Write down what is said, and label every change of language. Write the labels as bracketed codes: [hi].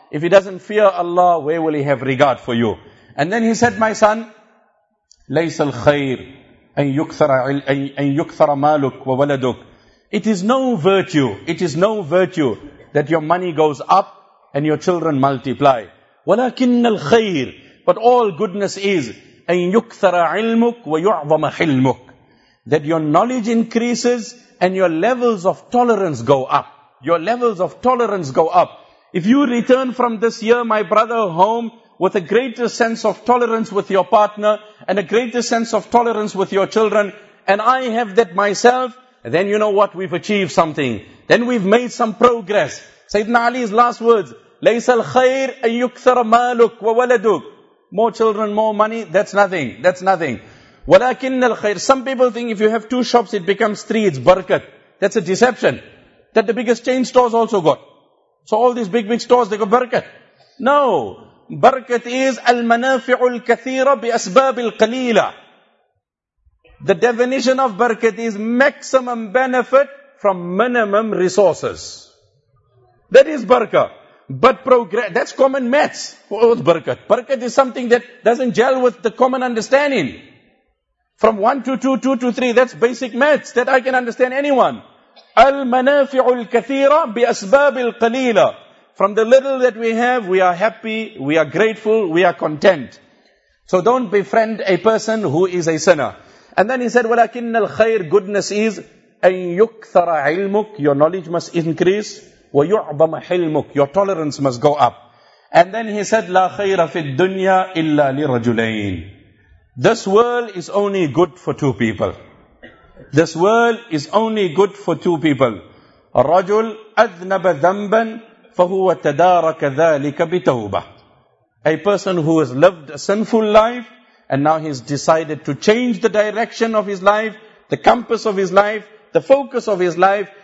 [en] If he doesn't fear Allah, where will he have regard for you? And then he said, my son, [ar] لَيْسَ الْخَيْرُ أَن يُكْثَرَ مَالُكَ وَوَلَدُكَ. [en] It is no virtue, it is no virtue that your money goes up and your children multiply. [ar] وَلَكِنَّ الْخَيْرُ. [en] But all goodness is, [ar] أَن يُكْثَرَ عِلْمُكَ وَيُعْظَمَ حِلْمُكَ. [en] That your knowledge increases and your levels of tolerance go up. Your levels of tolerance go up. If you return from this year, my brother, home, with a greater sense of tolerance with your partner and a greater sense of tolerance with your children, and I have that myself, then you know what? We've achieved something. Then we've made some progress. Sayyidina Ali's last words, [ar] لَيْسَ الْخَيْرِ أَن يُكْثَرَ مَالُكَ وَوَلَدُكَ. [en] More children, more money, that's nothing. That's nothing. [ar] وَلَكِنَّ الْخَيْرِ. [en] Some people think if you have 2 shops, it becomes 3, it's barakat. That's a deception. That the biggest chain stores also got. So all these big stores, they got barakat. No. Barakat is [ar] الْمَنَافِعُ الْكَثِيرَ بِأَسْبَابِ الْقَلِيلَ. [en] The definition of barakat is maximum benefit from minimum resources. That is barakah. But progress, that's common maths. What was barakat? Barakat is something that doesn't gel with the common understanding. From 1 to 2, 2 to 3, that's basic maths that I can understand anyone. [ar] الْمَنَافِعُ الْكَثِيرَ بِأَسْبَابِ الْقَلِيلَ. [en] From the little that we have, we are happy, we are grateful, we are content. So don't befriend a person who is a sinner. And then he said, [ar] وَلَكِنَّ الْخَيْرِ. [en] Goodness is, [ar] أَن يُكْثَرَ عِلْمُكَ. [en] Your knowledge must increase. [ar] وَيُعْظَمَ حِلْمُكَ. [en] Your tolerance must go up. And then he said, [ar] لَا خَيْرَ فِي الدُّنْيَا إِلَّا لِرَجُلَيْنِ. [en] This world is only good for 2 people. This world is only good for 2 people. [ar] رَجُلْ أَذْنَبَ ذَنْبًا فَهُوَ تَدَارَكَ ذَلِكَ بِتَوْبَةِ. [en] A person who has lived a sinful life, and now he's decided to change the direction of his life, the compass of his life, the focus of his life.